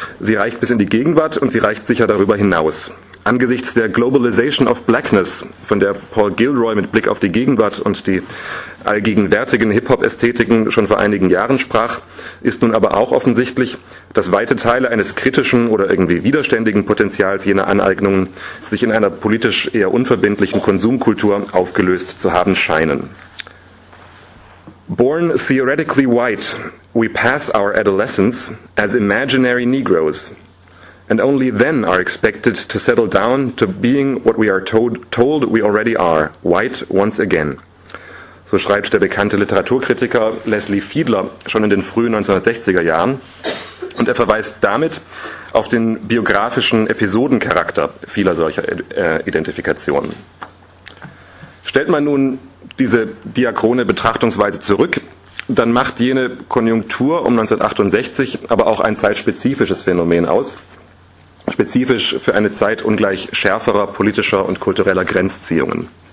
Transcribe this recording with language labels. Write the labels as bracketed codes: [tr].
[de] Sie reicht bis in die Gegenwart und sie reicht sicher darüber hinaus. Angesichts der Globalization of Blackness, von der Paul Gilroy mit Blick auf die Gegenwart und die allgegenwärtigen Hip-Hop-Ästhetiken schon vor einigen Jahren sprach, ist nun aber auch offensichtlich, dass weite Teile eines kritischen oder irgendwie widerständigen Potenzials jener Aneignungen sich in einer politisch eher unverbindlichen Konsumkultur aufgelöst zu haben scheinen. [en] Born theoretically white, we pass our adolescence as imaginary Negroes, and only then are expected to settle down to being what we are told we already are, white once again. [de] So schreibt der bekannte Literaturkritiker Leslie Fiedler schon in den frühen 1960er Jahren. Und er verweist damit auf den biografischen Episodencharakter vieler solcher Identifikationen. Stellt man nun diese diachrone Betrachtungsweise zurück, dann macht jene Konjunktur um 1968 aber auch ein zeitspezifisches Phänomen aus, spezifisch für eine Zeit ungleich schärferer politischer und kultureller Grenzziehungen.